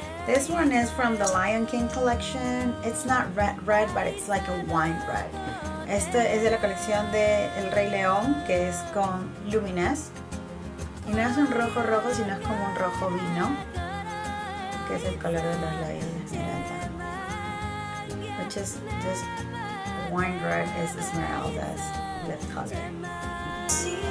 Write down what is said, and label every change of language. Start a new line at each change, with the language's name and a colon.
English: This one is from the Lion King collection. It's not red red, but it's like a wine red.
Spanish: Este es de la colección de El Rey León, que es con Lumines. Y no es un rojo rojo, sino es como un rojo vino, que es el color de los labios de Esmeralda.
English: Which is just wine red is Esmeralda's lip color.